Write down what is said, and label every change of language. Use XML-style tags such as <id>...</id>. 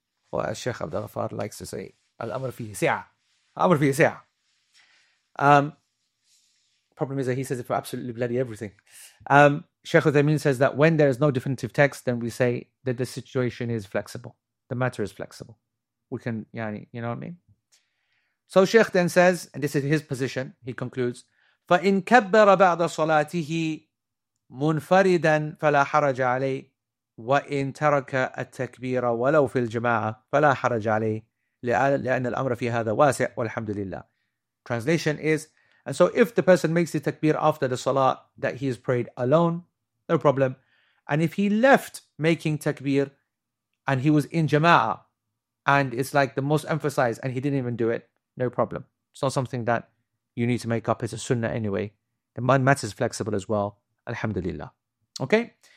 <en>Well, Sheikh Abdul Ghaffar likes to say</en> <ar>الْأَمْرُ فِي سِعَ. الْأَمْرُ فِي سِعَ.</ar> <en>Problem is that he says it for absolutely bloody everything. Sheikh Uthaymeen says that when there is no definitive text, then we say that the situation is flexible. The matter is flexible. We can, yani, you know what I mean? So Sheikh then says, and this is his position, he concludes,</en> <ar>فَإِنْ كَبَّرَ بَعْضَ صَلَاتِهِ مُنْفَرِدًا فَلَا حَرَجَ عَلَيْهِ وَإِنْ تَرَكَ التَّكْبِيرَ وَلَوْ فِي الْجَمَاعَةِ فَلَا حَرَجَ عَلَيْهِ لِأَنَّ الْأَمْرَ فِي هَذَا وَاسِعٌ وَالْحَمْدُ لِلَّهِ.</ar> <en>Translation is, and so if the person makes the takbir after the salah that he has prayed alone, no problem. And if he left making takbir and he was in jama'ah and it's like the most emphasized and he didn't even do it, no problem. It's not something that you need to make up. It's a sunnah anyway. The matter is flexible as well. Alhamdulillah. Okay.</en>